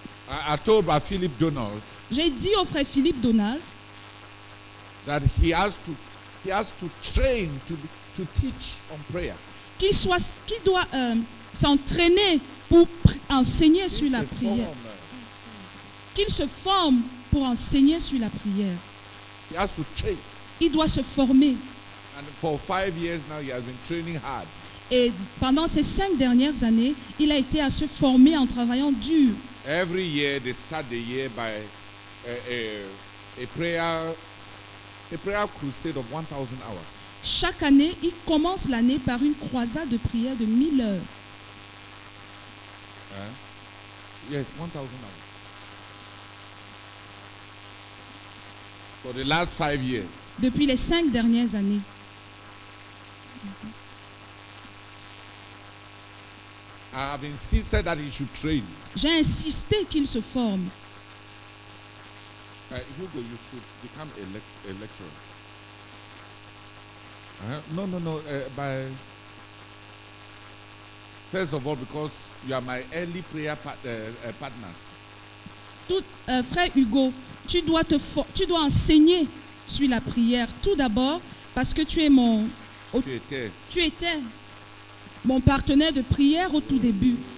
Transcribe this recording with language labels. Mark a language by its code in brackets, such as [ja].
[en] I told by Philip Donald. [fr] J'ai dit au frère Philippe Donald. [en] That he has to train to teach on prayer. [fr] Qu'il doit s'entraîner pour enseigner sur la prière. Qu'il se forme pour enseigner sur la prière. [en] He has to train. [fr] Il doit se former. [en] And for 5 years now, he has been training hard. [fr] Et pendant ces 5 dernières années, il a été à se former en travaillant dur. [en] Every year, they start the year by a prayer crusade of 1,000 hours. [fr] Chaque année, il commence l'année par une croisade de prière de 1000 heures. [en] Hein? Yes, 1,000 hours. For the last 5 years. [fr] Depuis les 5 dernières années. [en] I have insisted that he should train. [fr] J'ai insisté qu'il se forme. [en] Hugo, you should become a lecturer. First of all, because you are my early prayer partners. [fr] Frère Hugo, tu dois enseigner sur la prière tout d'abord parce que tu étais mon partenaire de prière au tout début.